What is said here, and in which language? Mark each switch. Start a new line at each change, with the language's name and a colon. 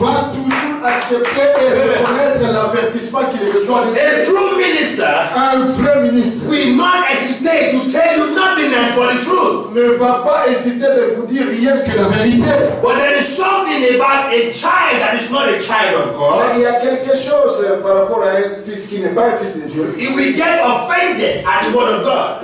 French: Va toujours accepter et reconnaître l'avertissement qu'il reçoit.
English: A true minister,
French: un vrai ministre,
English: will not hesitate to tell you nothingness but the truth.
French: Ne va pas hésiter de vous dire rien que la vérité.
English: But there is something about a child that is not a child of God.
French: Mais il y a quelque chose par rapport à un fils qui n'est pas un fils de Dieu.
English: He will get offended at the word of God.